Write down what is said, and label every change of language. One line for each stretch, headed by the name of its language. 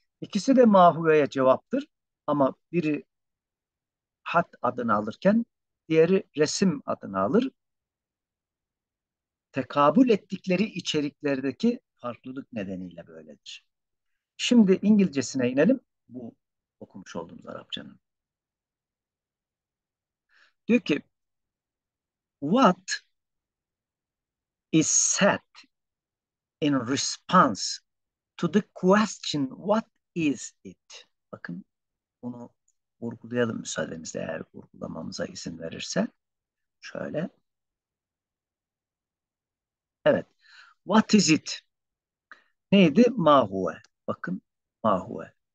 Turkish: İkisi de mahuveye cevaptır ama biri hat adını alırken diğeri resim adını alır. Tekabül ettikleri içeriklerdeki farklılık nedeniyle böyledir. Şimdi İngilizcesine inelim, bu okumuş olduğumuz Arapçanın.
English: Diyor ki, what is said in response to the question what is it?
Turkish: Bakın, bunu vurgulayalım müsaadenizle, eğer vurgulamamıza izin verirse. Şöyle. Evet. What is it? Neydi? Mahuve. Bakın, mahuve.